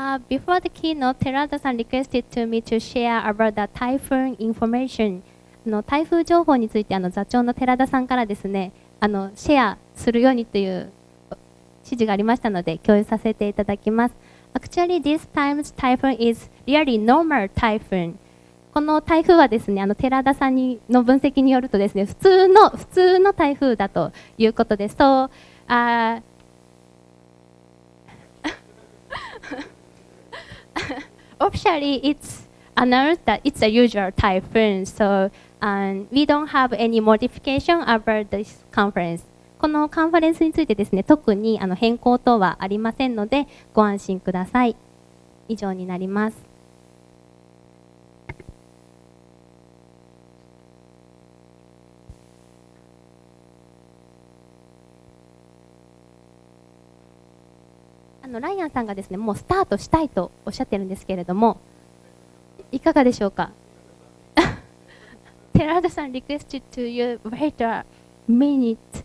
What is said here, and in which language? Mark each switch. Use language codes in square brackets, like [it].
[en] Before the keynote, Terada-san requested to me to share about the typhoon information. [ja] の台風情報についてあの座長の寺田さんからですねあのシェアするようにという指示がありましたので共有させていただきます。 [en] Actually this time's typhoon is really normal typhoon。 [ja] この台風はですねあの寺田さんにの分析によるとですね普通の台風だということです。 [en] So officially it's announced that it's a usual typhoon, soAnd we don't have any modification about this conference. [ja] このカンファレンスについてですね、特にあの変更等はありませんので、ご安心ください。以上になります。あのライアンさんがですね、もうスタートしたいとおっしゃってるんですけれども、いかがでしょうか。 [en] Terada-san requested to you wait a minute.